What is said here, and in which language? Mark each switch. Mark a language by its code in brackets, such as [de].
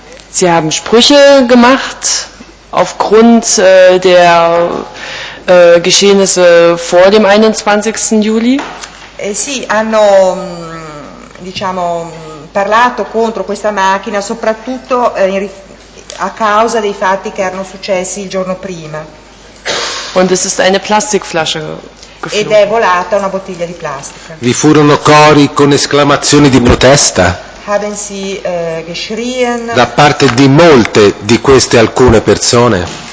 [de] Sie haben Sprüche gemacht aufgrund der Geschehnisse vor dem 21. Juli. [it] Sì, hanno diciamo parlato contro questa macchina soprattutto a causa dei fatti che erano successi il giorno prima. [de] Und es ist eine Plastikflasche geflogen. [it] Ed è volata una bottiglia di plastica. Vi furono cori con esclamazioni di protesta? [de] Haben sie geschrien? [it] Da parte di molte di queste alcune persone?